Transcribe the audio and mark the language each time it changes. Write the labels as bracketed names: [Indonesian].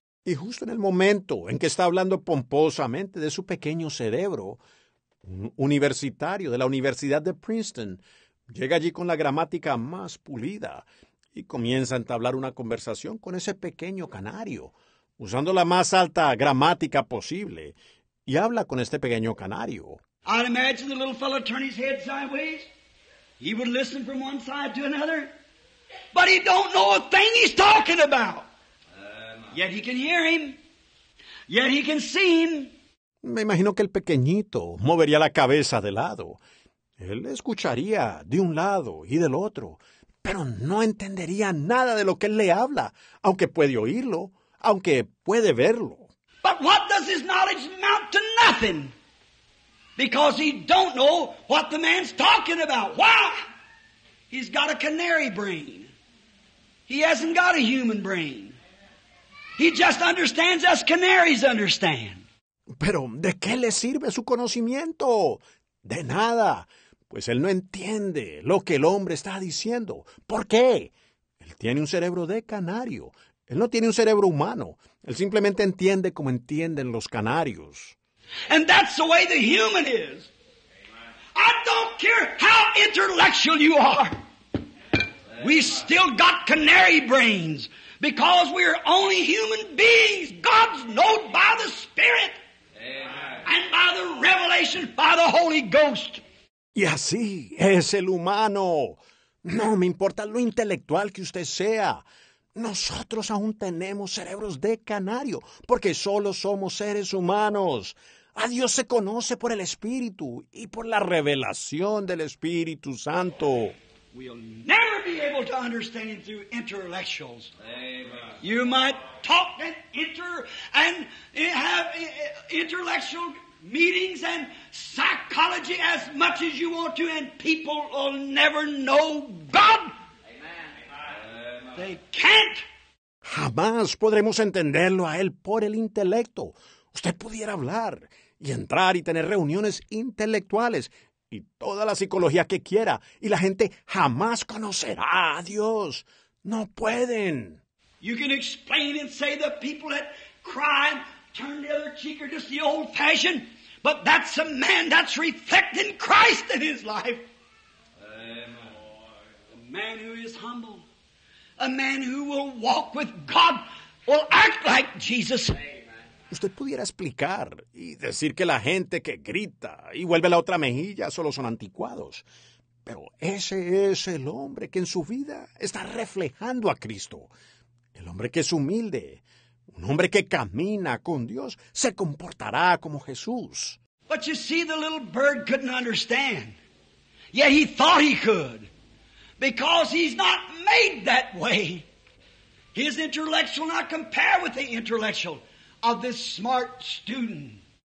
[Spanish] Y justo en el momento en que está hablando pomposamente de su pequeño cerebro, un universitario de la Universidad de Princeton llega allí con la gramática más pulida y comienza a entablar una conversación con ese pequeño canario, usando la más alta gramática posible, y habla con este pequeño canario. [English] I'd imagine the little fellow turn his head sideways. He would listen from one side to another. But he don't know a thing he's talking about. Yet he can hear him. Yet he can see him. [Spanish] Me imagino que el pequeñito movería la cabeza de lado. Él escucharía de un lado y del otro, pero no entendería nada de lo que él le habla, aunque puede oírlo, aunque puede verlo. [English] But what does his knowledge amount to? Nothing. Because he don't know what the man's talking about. Why? He's got a canary brain. He hasn't got a human brain. He just understands as canaries understand. [Spanish] Pero, ¿de qué le sirve su conocimiento? De nada. Pues él no entiende lo que el hombre está diciendo. ¿Por qué? Él tiene un cerebro de canario. Él no tiene un cerebro humano. Él simplemente entiende como entienden los canarios. [English] And that's the way the human is. I don't care how intellectual you are. We still got canary brains because we are only human beings. God's known by the Spirit and by the revelation by the Holy Ghost. [Spanish] Y así es el humano. No me importa lo intelectual que usted sea. Nosotros aún tenemos cerebros de canario porque solo somos seres humanos. A Dios se conoce por el Espíritu y por la revelación del Espíritu Santo. [English] We'll never be able to understand him through intellectuals. Amen. You might talk and have intellectual meetings and psychology as much as you want to, and people will never know God. Amen. They can't. [Spanish] Jamás podremos entenderlo a él por el intelecto. Usted pudiera hablar y entrar y tener reuniones intelectuales y toda la psicología que quiera, y la gente jamás conocerá a Dios. No pueden. [English] You can explain and say the people that cry and turn the other cheek are just the old fashioned, but that's a man that's reflecting Christ in his life. Amen. A man who is humble, a man who will walk with God, will act like Jesus. [Spanish] Usted pudiera explicar y decir que la gente que grita y vuelve la otra mejilla solo son anticuados. Pero ese es el hombre que en su vida está reflejando a Cristo. El hombre que es humilde, un hombre que camina con Dios, se comportará como Jesús. [English] But you see, the little bird couldn't understand. Yet he thought he could. Because he's not made that way. His intellectual not compare with the intellectual of this smart student.